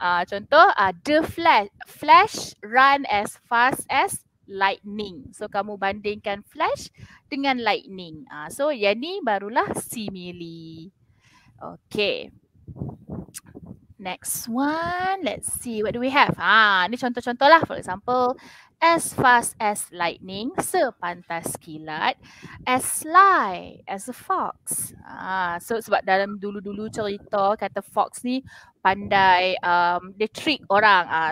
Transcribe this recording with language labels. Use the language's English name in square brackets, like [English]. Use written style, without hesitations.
[English] Contoh, the flash run as fast as lightning. [Malay] So kamu bandingkan flash dengan lightning. So yang ni barulah simili. [English] Okay. Next one, let's see what do we have. [Malay] Ni contoh-contoh lah. [English] For example, as fast as lightning, [Malay] sepantas kilat, [English] as sly as a fox. [Malay] So sebab dalam dulu-dulu cerita kata fox ni pandai dia trick orang.